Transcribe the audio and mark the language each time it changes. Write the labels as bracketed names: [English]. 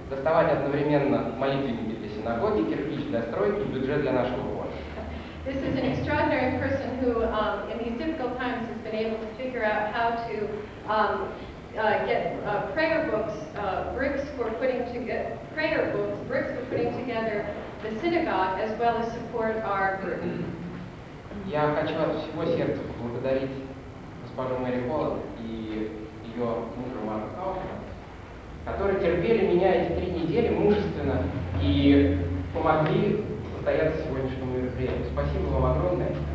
[Russian] Одновременно молитвенники для синагоги, кирпич для стройки, бюджет для нашего города. [English] This is an extraordinary person who in these difficult times has been able to figure out how to get prayer books, bricks for putting together prayer books, bricks for putting together the synagogue, as well as support our group. [Russian] Я хочу от всего сердца поблагодарить госпожу Мэри Холл и ее мужа Марка, которые терпели меня эти 3 недели мужественно и помогли состояться сегодняшнему мероприятию. Спасибо вам огромное.